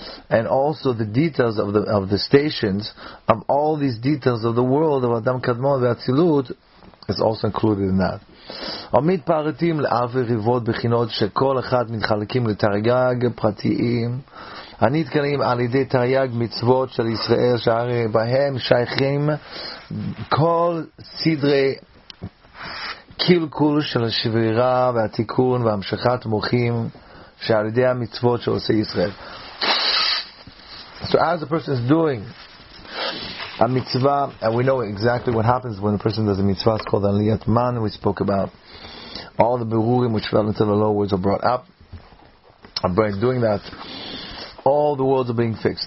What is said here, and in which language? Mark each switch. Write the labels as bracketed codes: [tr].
[en] And also the details of the stations of all these details of the world of Adam Kadmon ve'Atzilut is also included in that. [he] עמיד פרטים לאלף ריבות בחינות שכל אחד מתחלקים לתרגג פרטיים הנתקלים על ידי תרגג מצוות של ישראל שהרי בהם שייכים כל סדרי קלקול של השבירה והתיקון והמשכת מוחים שעל ידי המצוות שעושה ישראל. [en] So as a person is doing a mitzvah, and we know exactly what happens when a person does a mitzvah, it's called Aliyat Man. We spoke about all the berurim which fell into the lower worlds are brought up, and by doing that all the worlds are being fixed.